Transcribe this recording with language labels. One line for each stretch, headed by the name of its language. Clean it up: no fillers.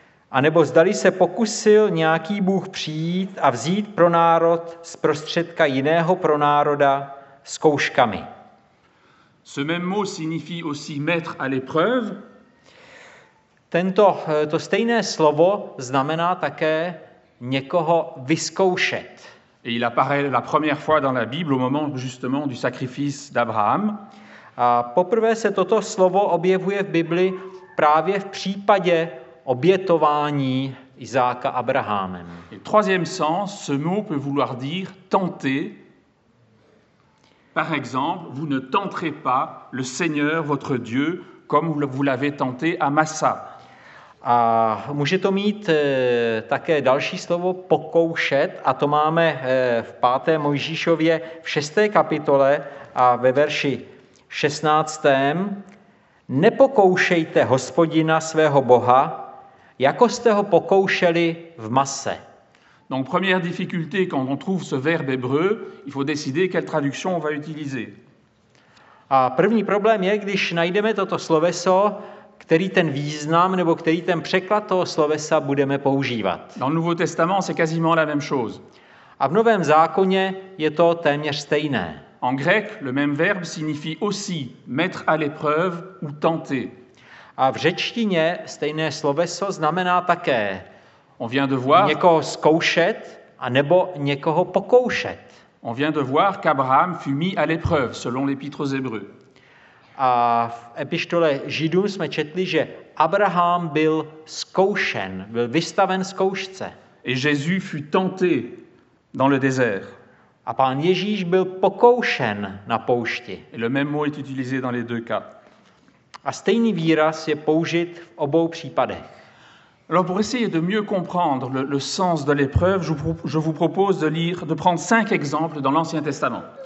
Czech: A nebo zdali se pokusil nějaký Bůh přijít a vzít pro národ z prostředka jiného pro národa zkouškami.
French: Ce même mot signifie aussi mettre à l'épreuve.
Czech: Tento to stejné slovo znamená také někoho vyzkoušet.
French: Et il apparaît la première fois dans la Bible au moment justement du sacrifice d'Abraham.
Czech: A poprvé se toto slovo objevuje v Bibli právě v případě obětování Isaaca Abrahamem.
French: Et troisième sens, ce mot peut vouloir dire tenter. Par exemple, vous ne tenterez pas le Seigneur votre Dieu comme vous l'avez tenté à Massa.
Czech: A může to mít také další slovo pokoušet, a to máme v 5. Mojžíšově v 6. kapitole a ve verši 16. Nepokoušejte Hospodina svého Boha, jako jste ho pokoušeli v Masse.
French: Donc première difficulté quand on trouve ce verbe hébreu, il faut décider quelle traduction on va utiliser.
Czech: A první problém je, když najdeme toto sloveso, který ten význam nebo který ten překlad toho slovesa budeme používat.
French: Dans le Nouveau Testament, c'est quasiment la même chose.
Czech: A v Novém zákoně je to téměř stejné.
French: En grec, le même verbe signifie aussi mettre à l'épreuve ou tenter.
Czech: A v řečtině stejné sloveso znamená také
French: on vient de voir
Czech: někoho zkoušet a nebo někoho pokoušet.
French: On vient de voir qu'Abraham fut mis à l'épreuve selon l'épître aux Hébreux.
Czech: A v epištole Židům jsme četli, že Abraham byl zkoušen, byl vystaven zkoušce.
French: Et Jésus fut tenté dans le désert.
Czech: A pán Ježíš byl pokoušen na poušti.
French: Et le même mot est utilisé dans les deux cas.
Czech: A stejný výraz je použit v obou případech.
French: Alors pour essayer de mieux comprendre le sens de l'épreuve, je vous propose de lire, de prendre 5 exemples dans l'Ancien Testament.